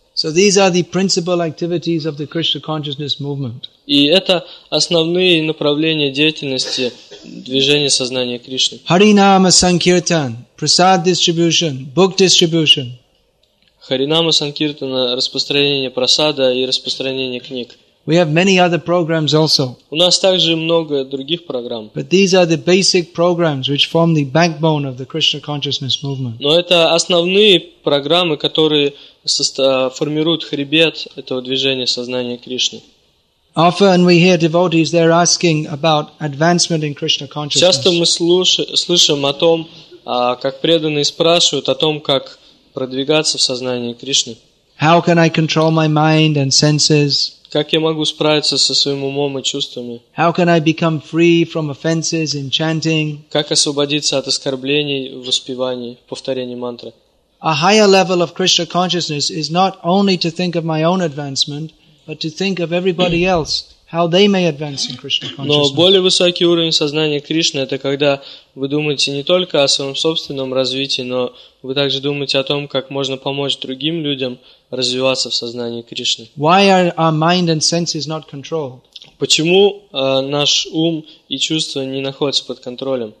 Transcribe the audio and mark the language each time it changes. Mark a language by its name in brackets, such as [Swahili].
[English] So these are the principal activities of the Krishna consciousness movement. [Russian] И это основные направления деятельности движения сознания Кришны. [English] Харинама Санкиртан, Prasad distribution, book distribution. [Russian] Харинама Санкиртана, распространение прасада и распространение книг. [English] We have many other programs also. [Russian] У нас также много других программ. [English] But these are the basic programs which form the backbone of the Krishna consciousness movement. [Russian] Но это основные программы, которые формируют хребет этого движения сознания Кришны. [English] Often we hear devotees, they're asking about advancement in Krishna consciousness. [Russian] Часто мы слышим о том, как преданные спрашивают о том, как продвигаться в сознании Кришны. [English] How can I control my mind and senses? [Russian] Как я могу справиться со своим умом и чувствами? [English] How can I become free from offenses in chanting? [Russian] Как освободиться от оскорблений в воспевании, в повторении мантры? [English] A higher level of Krishna consciousness is not only to think of my own advancement, but to think of everybody else, how they may advance in Krishna consciousness. [Russian] Но более высокий уровень сознания Кришны — это когда вы думаете не только о своем собственном развитии, но вы также думаете о том, как можно помочь другим людям развиваться в сознании Кришны. [English] Why are our mind and senses not controlled? [Russian] Почему наш ум и чувства не находятся под контролем?